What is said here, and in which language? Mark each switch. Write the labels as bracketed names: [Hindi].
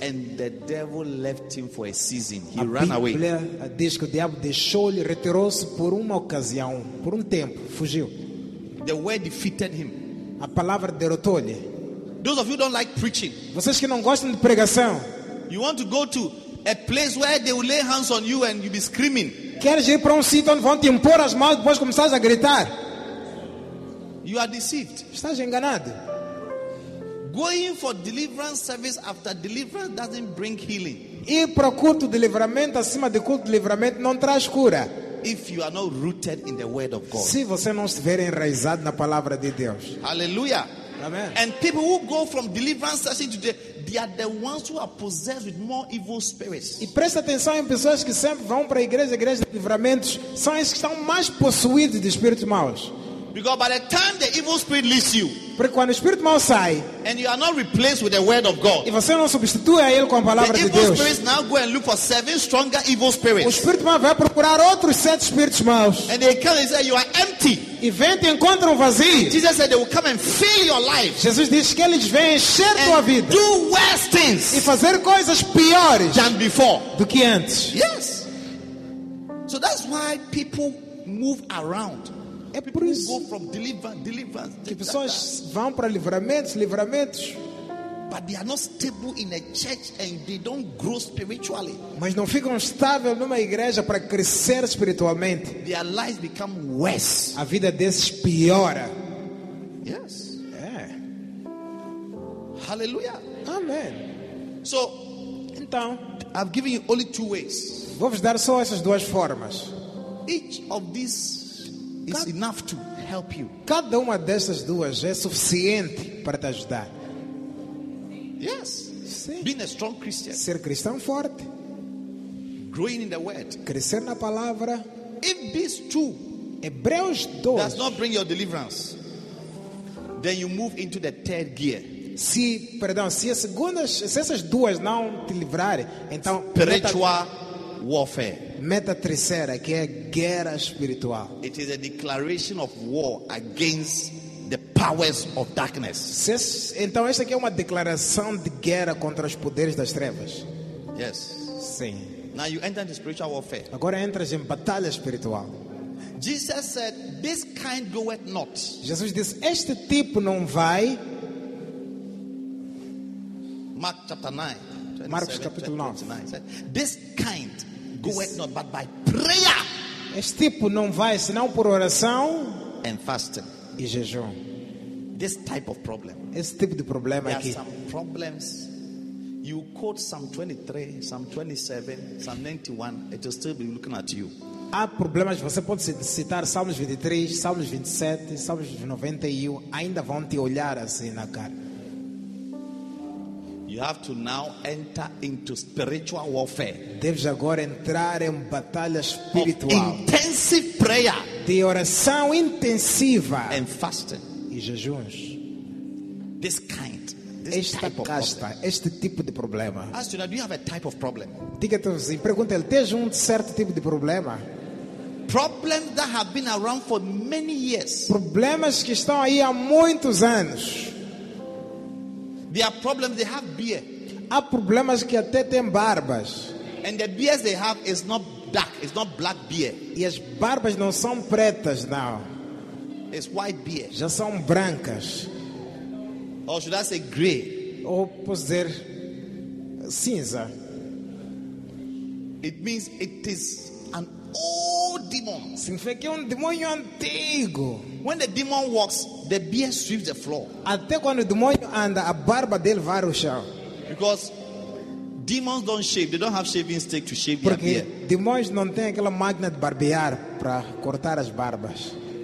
[English] and the devil left him for a season. He ran away. [Portuguese] A Bíblia diz que o diabo deixou-lhe, retirou-se por uma ocasião, por tempo, fugiu. [English] The word defeated him. [Portuguese] A palavra derrotou-lhe. [English] Those of you don't like preaching. [Portuguese] Vocês que não gostam de pregação. [English] You want to go to a place where they will lay hands on you and you'll be screaming. [Portuguese] Queres ir para sítio onde vão te impor as mãos e depois começar a gritar? [English] You are deceived. [Portuguese] Estás enganado. [English] Going for deliverance service after deliverance doesn't bring healing. [Portuguese] E para culto de livramento acima de culto de livramento não traz cura. [English] If you are not rooted in the word of God. [Portuguese] Se você não estiver enraizado na palavra de Deus. Hallelujah. Amen. [English] And people who go from deliverance session to today, they are the ones who are possessed with more evil spirits. [Portuguese] E presta atenção em pessoas que sempre vão para igreja de livramentos, são as que estão mais possuídas de espíritos maus. [English] Because by the time the evil spirit leaves you, [Portuguese] porque quando o espírito mau sai, [English] and you are not replaced with the word of God, [Portuguese] e você não substitui a ele com a palavra [English] the [Portuguese] de Deus, [English] the evil spirits now go and look for seven stronger evil spirits. [Portuguese] O espírito mau vai procurar outros sete espíritos maus. [English] And they come and say, "You are empty." [Portuguese] E vem te encontram um vazio. [English] And Jesus said they will come and fill your life. [Portuguese] Jesus diz que eles vêm encher [English] and [Portuguese] tua vida. [English] Do worse things. [Portuguese] E fazer coisas piores [English] than before. [Portuguese] Do que antes. [English] Yes. So that's why people move around. [Portuguese] É por isso [English] go from deliverance, [Portuguese] que pessoas vão para livramentos, [English] but they are not stable in a church and they don't grow spiritually. [Portuguese] Mas não ficam estáveis numa igreja para crescer espiritualmente. [English] Their lives become worse. [Portuguese] A vida desses piora. [English] Yes. Yeah. Hallelujah. Amen. So, [Portuguese] então, [English] I've given you only two ways. [Portuguese] Vou-vos dar só essas duas formas. [English] Each of these is enough to help you. [Portuguese] Cada uma dessas duas é suficiente para te ajudar. [English] Yes. [Portuguese] Sim. [English] Being a strong Christian. [Portuguese] Ser cristão forte. [English] Growing in the word. [Portuguese] Crescer na palavra. [English] If these two [Portuguese] Hebreus 2 [English] does not bring your deliverance, then you move into the third gear. [Portuguese] Se, perdão, se as segundas, se essas duas não te livrarem, então [English] spiritual warfare. [Portuguese] Meta terceira, que é guerra espiritual. [English] It is a declaration of war against the powers of darkness. [Portuguese] Então esta aqui é uma declaração de guerra contra os poderes das trevas. [English] Yes. [Portuguese] Sim. [English] Now you enter into spiritual warfare. [Portuguese] Agora entras em batalha espiritual. [English] Jesus said, "This kind goeth not." [Portuguese] Jesus disse, este tipo não vai. [English] Mark chapter 9. [Portuguese] Marcos capítulo 9. [English] This kind goeth not but by prayer. [Portuguese] Este tipo não vai senão por oração [English] and fasting. [Portuguese] E jejum. [English] This type of problem. [Portuguese] Esse tipo de problema [English] there [Portuguese] aqui. [English] There are some problems. You quote Psalm 23, Psalm 27, Psalm 91, it will still be looking at you. [Portuguese] Há problemas, você pode citar Salmos 23, Salmos 27, Salmos 91, ainda vão te olhar assim na cara. [English] You have to now enter into spiritual warfare. [Portuguese] Deves agora entrar em batalha espiritual. [English] Intensive prayer. [Portuguese] De oração intensiva. [English] And fasting. [Portuguese] E jejuns. [English] This kind. [Portuguese] Esta casta, este tipo de problema. [English] Ask you, do you have a type of problem? [Portuguese] Diga-te assim, pergunta-lhe, tens certo tipo de problema? [English] Problems that have been around for many years. [Portuguese] Problemas que estão aí há muitos anos. [English] There are problems they have beard. [Portuguese] Há problemas que até têm barbas. [English] And the beards they have is not dark, it's not black beard. [Portuguese] E as barbas não são pretas, não. [English] It's white beard. [Portuguese] Já são brancas. [English] Or should I say gray? [Portuguese] Ou posso dizer cinza? [English] It means it is an old demon. [Portuguese] Significa que é demônio antigo. [English] When the demon walks, the beard sweeps the floor. [Portuguese] Até quando o demônio anda, a barba dele vai ao chão. [English] Because demons don't shave, they don't have shaving stick to shave [Portuguese] porque [English] their beard. [Portuguese] Porque demônios não têm aquela máquina de barbear para cortar as barbas.